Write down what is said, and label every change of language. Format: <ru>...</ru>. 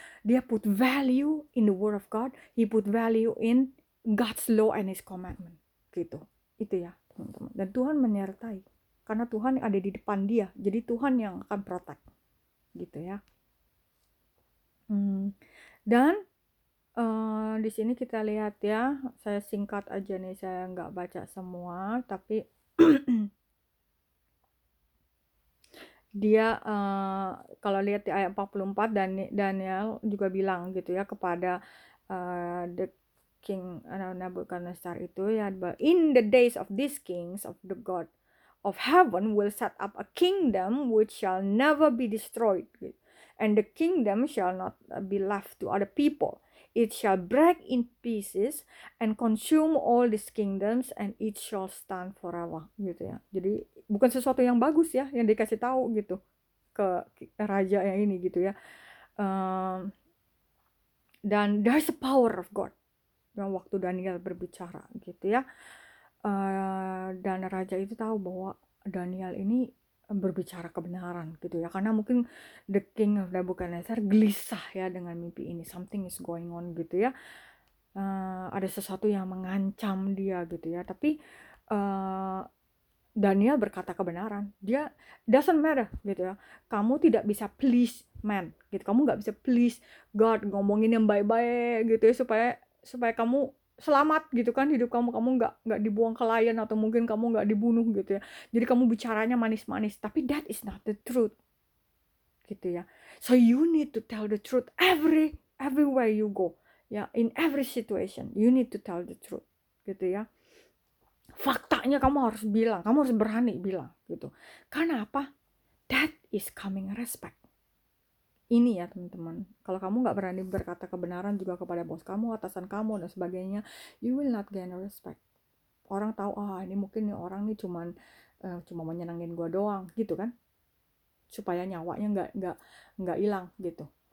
<en>Dia put value in the word of God, he put value in God's law and his commandment gitu.</en> <id>Itu ya, teman-teman. Dan Tuhan menyertai karena Tuhan yang ada di depan dia. Jadi Tuhan yang akan protect gitu ya. Dan di sini kita lihat ya, saya singkat aja nih, saya nggak baca semua, tapi dia kalau lihat di ayat 44, dan Daniel juga bilang gitu ya kepada</id> <en>the king Nebuchadnezzar itu ya, in the days of these kings of the God of heaven will set up a kingdom which shall never be destroyed, and the kingdom shall not be left to other people. It shall break in pieces and consume all these kingdoms, and it shall stand forever.</en> <id>Gitu ya. Jadi bukan sesuatu yang bagus ya yang dikasih tahu gitu ke raja yang ini gitu ya. Dan</id> <en>there's the power of God</en> <id>yang waktu Daniel berbicara gitu ya. Dan raja itu tahu bahwa Daniel ini berbicara kebenaran gitu ya, karena mungkin the king of Nebuchadnezzar gelisah ya dengan mimpi ini,</id> <en>something is going on</en> <id>gitu ya, ada sesuatu yang mengancam dia gitu ya. Tapi Daniel berkata kebenaran, dia doesn't matter gitu ya, kamu tidak bisa please man gitu, kamu nggak bisa please God, ngomongin yang baik-baik gitu ya, supaya supaya kamu selamat gitu kan hidup kamu, kamu nggak dibuang ke lion atau mungkin kamu nggak dibunuh gitu ya. Jadi kamu bicaranya manis-manis, tapi</id> <en>that is not the truth</en> <id>gitu ya.</id> <en>So you need to tell the truth everywhere you go ya, in every situation you need to tell the truth gitu ya.</en> <id>Faktanya kamu harus bilang, kamu harus berani bilang gitu. Karena apa?</id> <en>That is coming respect.</en> <id>Ini ya teman-teman, kalau kamu nggak berani berkata kebenaran juga kepada bos kamu, atasan kamu dan sebagainya,</id> <en>you will not gain respect.</en> <id>Orang tahu, ah ini mungkin nih orang nih cuman cuma menyenangin gua doang gitu kan, supaya nyawanya nggak hilang gitu.</id>